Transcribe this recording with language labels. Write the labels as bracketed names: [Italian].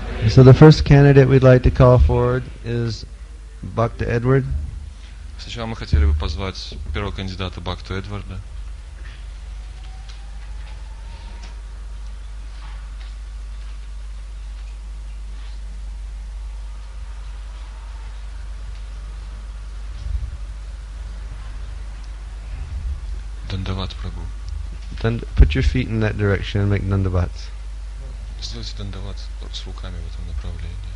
[English] So the first candidate we'd like to call forward is Bhakta Edward. [Russian] Сначала мы хотели бы позвать первого кандидата Бхакту Эдварда. Дандават Прабу. [English] Then put your feet in that direction and make Дандавац. [Russian] Сделайте дандават с руками в этом направлении.